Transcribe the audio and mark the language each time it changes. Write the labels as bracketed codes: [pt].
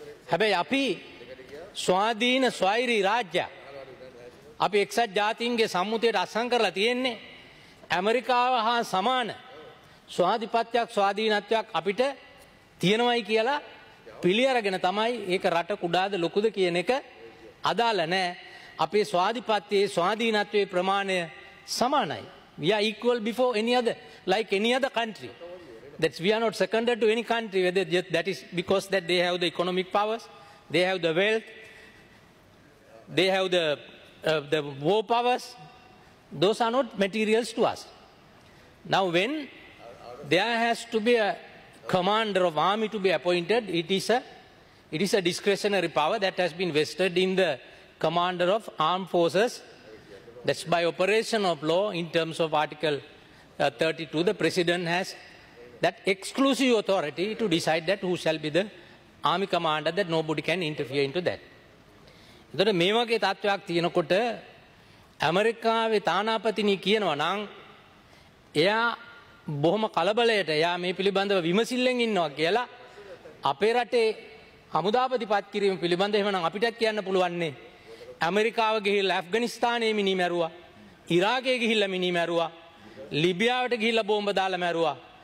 [si] හැබැයි අපි ස්වාධීන ස්වෛරී රාජ්‍ය අපි එක්සත් ජාතීන්ගේ සම්මුතියට අත්සන් කරලා තියෙන්නේ ඇමරිකාව හා සමාන ස්වාධිපත්‍යයක් ස්වාධීනත්වයක් අපිට තියෙනවයි කියලා පිළි අරගෙන තමයි ඒක රට කුඩාද ලොකුද කියන එක අදාළ නැහැ. අපේ ස්වාධිපත්‍යයේ ස්වාධීනත්වයේ ප්‍රමාණය සමානයි. [en] We are equal before any other, like any other country. That's we are not seconded to any country. Whether just, that is because that they have the economic powers, they have the wealth, they have the war powers. Those are not materials to us. Now, when there has to be a commander of army to be appointed, it is a discretionary power that has been vested in the commander of armed forces. That's by operation of law in terms of Article 32. The president has that exclusive authority to decide that who shall be the army commander, that nobody can interfere into that. [si] එතකොට මේ වගේ තත්වයක් තියෙනකොට ඇමරිකාවේ තානාපතිනි කියනවා නම් එයා බොහොම කලබලයට එයා මේ පිළිබඳව විමසිල්ලෙන් ඉන්නවා කියලා අපේ රටේ හමුදාපති පත් කිරීම පිළිබඳව එහෙමනම් අපිටත් කියන්න පුළුවන්නේ ඇමරිකාව ගිහිල්ලා ඇෆ්ගනිස්තානයේ මිනි මැරුවා, ඉරාකයේ ගිහිල්ලා මිනි මැරුවා, ලිබියාවට ගිහිල්ලා බෝම්බ දාලා මැරුවා.